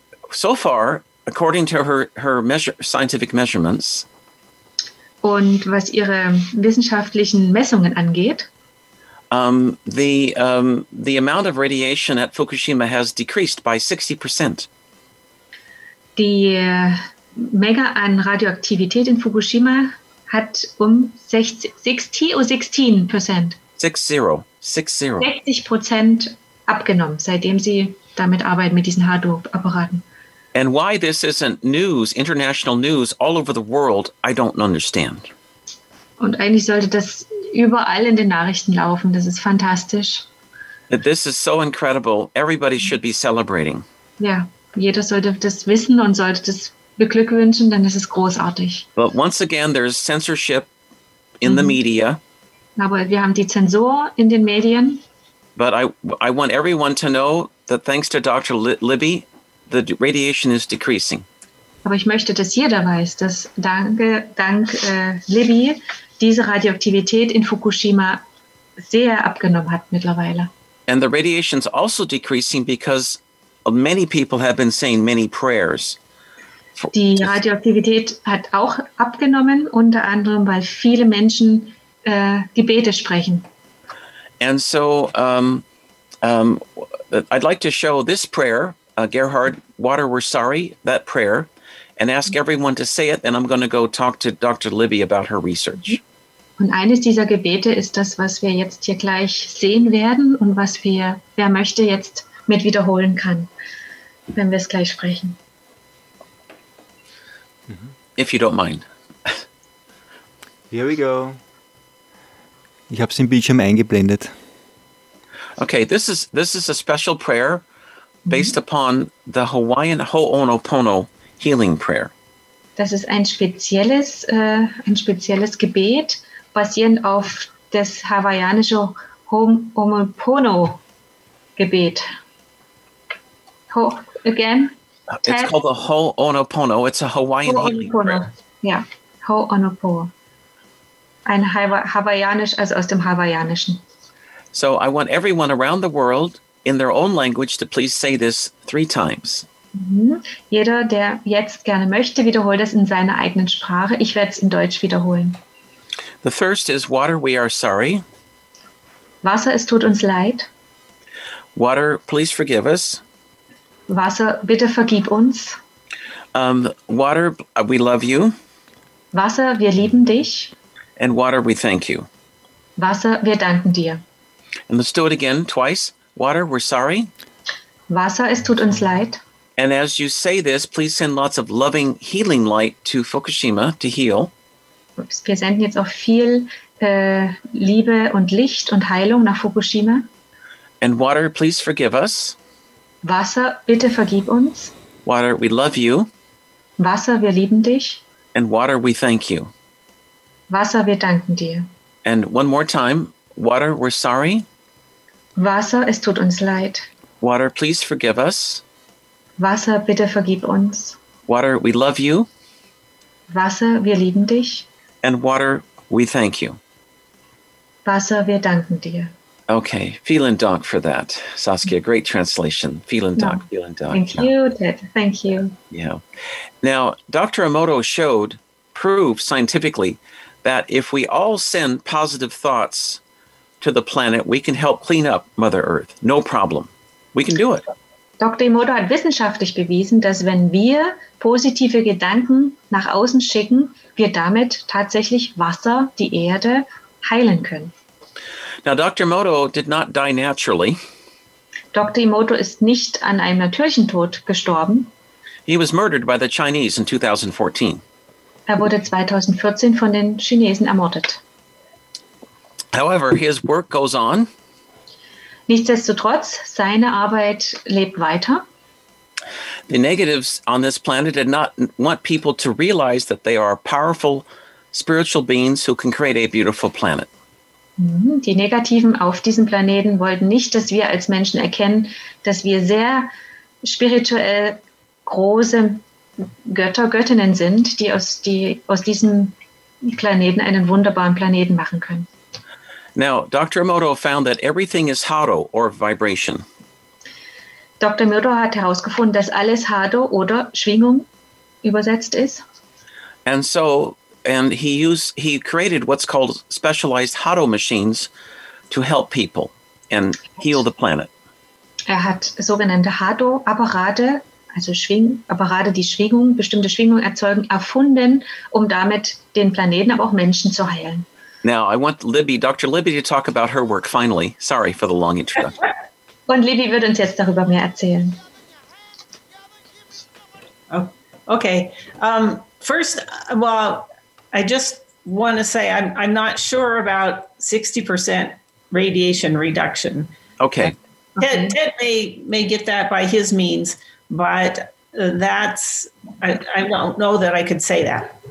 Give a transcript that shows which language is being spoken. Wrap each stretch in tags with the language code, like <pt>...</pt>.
<en>So far, according to scientific measurements.</en> <de>Und was ihre wissenschaftlichen Messungen angeht.</de> <en>The amount of radiation at Fukushima has decreased by 60%.</en> <de>Die Menge an Radioaktivität in Fukushima hat 60% abgenommen, seitdem sie damit arbeiten mit diesen Hado-Apparaten.</de> <en>And why this isn't news, international news all over the world, I don't understand.</en> <de>Und eigentlich sollte das überall in den Nachrichten laufen. Das ist fantastisch.</de> <en>This is so incredible. Everybody should be celebrating.</en> <de>Ja, jeder sollte das wissen und sollte das beglückwünschen, denn es ist großartig.</de> <en>But once again, there's censorship in the media.</en> <de>Aber wir haben die Zensur in den Medien.</de> <en>But I want everyone to know that thanks to Dr. Libby, the radiation is decreasing.</en> <de>Aber ich möchte, dass jeder weiß, dass dank Libby diese Radioaktivität in Fukushima sehr abgenommen hat mittlerweile.</de> <en>And the radiation is also decreasing because many people have been saying many prayers.</en> <de>Die Radioaktivität hat auch abgenommen, unter anderem, weil viele Menschen Gebete sprechen.</de> <en>And so I'd like to show this prayer, Gerhard Water, we're sorry, that prayer. And ask everyone to say it, and I'm going to go talk to Dr. Libby about her research.</en> <de>Und eines dieser Gebete ist das, was wir jetzt hier gleich sehen werden und was wer möchte jetzt mit wiederholen kann, wenn wir es gleich sprechen.</de> <en>If you don't mind. Here we go.</en> <de>Ich habe es im Bildschirm eingeblendet.</de> <en>Okay, this is a special prayer based upon the Hawaiian Ho'oponopono healing prayer.</en> <de>Das ist ein spezielles Gebet basierend auf das hawaiianische Ho'oponopono Gebet.</de> <en>It's called the Ho'oponopono. It's a Hawaiian Ho'oponopono healing prayer.</en> <de>Ja. Ho'oponopono. Ein hawaiianisch, also aus dem hawaiianischen.</de> <en>So I want everyone around the world in their own language to please say this three times.</en> <de>Jeder, der jetzt gerne möchte, wiederholt es in seiner eigenen Sprache. Ich werde es in Deutsch wiederholen.</de> <en>The first is water, we are sorry.</en> <de>Wasser, es tut uns leid.</de> <en>Water, please forgive us.</en> <de>Wasser, bitte vergib uns.</de> <en>Water, we love you.</en> <de>Wasser, wir lieben dich.</de> <en>And water, we thank you.</en> <de>Wasser, wir danken dir.</de> <en>And let's do it again, twice. Water, we're sorry.</en> <de>Wasser, es tut uns leid.</de> <en>And as you say this, please send lots of loving, healing light to Fukushima to heal.</en> <de>Wir senden jetzt auch viel Liebe und Licht und Heilung nach Fukushima.</de> <en>And water, please forgive us.</en> <de>Wasser, bitte vergib uns.</de> <en>Water, we love you.</en> <de>Wasser, wir lieben dich.</de> <en>And water, we thank you.</en> <de>Wasser, wir danken dir.</de> <en>And one more time, water, we're sorry.</en> <de>Wasser, es tut uns leid.</de> <en>Water, please forgive us.</en> <de>Wasser, bitte vergib uns.</de> <en>Water, we love you.</en> <de>Wasser, wir lieben dich.</de> <en>And water, we thank you.</en> <de>Wasser, wir danken dir.</de> <en>Okay.</en> <de>Vielen Dank</de> <en>for that, Saskia. Great translation. Vielen Dank. No. Vielen Dank. Thank you, Ted. Thank you. Yeah. Now, Dr. Emoto showed proof scientifically that if we all send positive thoughts to the planet, we can help clean up Mother Earth. No problem. We can do it.</en> <de>Dr. Emoto hat wissenschaftlich bewiesen, dass wenn wir positive Gedanken nach außen schicken, wir damit tatsächlich Wasser, die Erde, heilen können.</de> <en>Now, Dr. Emoto did not die naturally.</en> <de>Dr. Emoto ist nicht an einem natürlichen Tod gestorben.</de> <en>He was murdered by the Chinese in 2014.</en> <de>Er wurde 2014 von den Chinesen ermordet.</de> <en>However, his work goes on.</en> <de>Nichtsdestotrotz, seine Arbeit lebt weiter.</de> <en>The negatives on this planet did not want people to realize that they are powerful spiritual beings who can create a beautiful planet.</en> <de>Die Negativen auf diesem Planeten wollten nicht, dass wir als Menschen erkennen, dass wir sehr spirituell große Götter, Göttinnen sind, die aus diesem Planeten einen wunderbaren Planeten machen können.</de> <en>Now, Dr. Emoto found that everything is Hado or vibration.</en> <de>Dr. Emoto hat herausgefunden, dass alles Hado oder Schwingung übersetzt ist.</de> <en>And so, and he created what's called specialized Hado machines to help people and heal the planet.</en> <de>Er hat sogenannte Hado-Apparate, also Apparate, die Schwingung, bestimmte Schwingung erzeugen, erfunden, um damit den Planeten, aber auch Menschen zu heilen.</de> <en>Now, I want Dr. Libby to talk about her work finally. Sorry for the long introduction.</en> <de>Und Libby wird uns jetzt darüber mehr erzählen.</de> <en>Oh, okay. First, I just want to say I'm not sure about 60% radiation reduction. Okay. Ted may get that by his means, but I don't know that I could say that.</en>